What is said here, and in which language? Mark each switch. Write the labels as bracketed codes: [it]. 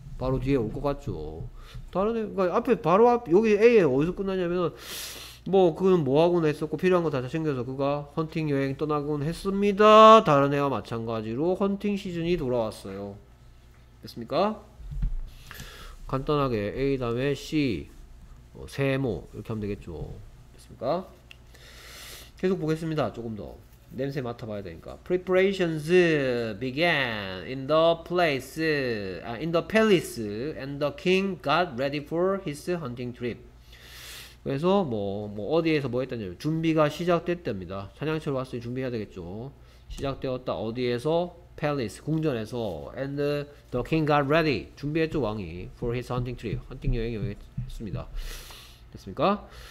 [ko] 바로 뒤에 올것 같죠? 다른 해, 그러니까 앞에 바로 앞 여기 A에 어디서 끝나냐면 뭐 그건 뭐 하곤 했었고 필요한 거다 챙겨서 그가 헌팅 여행 떠나곤 했습니다. 다른 해와 마찬가지로 헌팅 시즌이 돌아왔어요. 됐습니까? 간단하게 A 다음에 C 세모 이렇게 하면 되겠죠. 됐습니까? 계속 보겠습니다. 조금 더 냄새 맡아봐야 되니까. [en] Preparations began in the place, in the palace, and the king got ready for his hunting trip. [ko] 그래서 어디에서 뭐 했다냐면 준비가 시작됐답니다. 사냥철 왔으니 준비해야 되겠죠. 시작되었다. 어디에서? Palace, 궁전에서. [en] And the king got ready. [ko] 준비했죠, 왕이. [en] For his hunting trip. [ko] 헌팅 여행을 했습니다. 됐습니까?